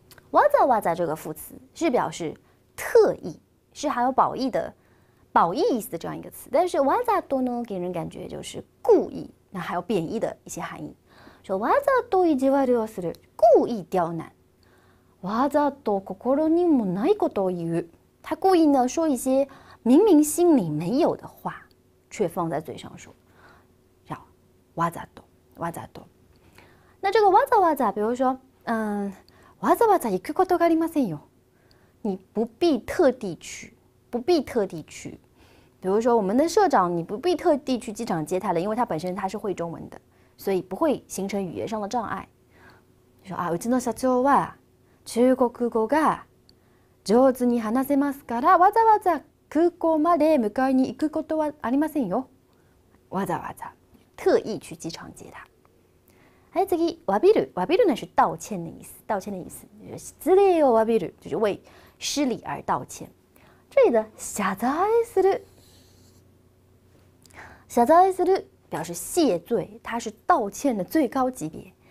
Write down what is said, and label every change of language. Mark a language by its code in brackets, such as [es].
[zh] わざわざ这个副词是表示特意，是含有褒义的。褒义意思的这样一个词，但是わざと呢给人感觉就是故意，那还有贬义的一些含义。说 [ja] わざと意地悪をする， [zh] 故意刁难。 [ja] わざと心にもないことを言う， [zh] 他故意呢说一些明明心里没有的话，却放在嘴上说，叫わざと。わざと。那这个わざわざ，比如说， [ja] わざわざ行くことがありませんよ， [zh] 你不必特地去。不必特地去，比如说我们的社长，你不必特地去机场接他了，因为他本身他是会中文的，所以不会形成语言上的障碍。 [ja] 你说啊，うちの社長は中国語が上手に話せますから、わざわざ空港まで迎えに行くことはありませんよ。 [zh] わざわざ特意去机场接他。哎，次わびる，わびる呢是道歉的意思，道歉的意思，就是 [ja] 失礼をわびる， [zh] 就是为失礼而道歉。这里的謝罪する，謝罪する表示谢罪，它是道歉的最高级别。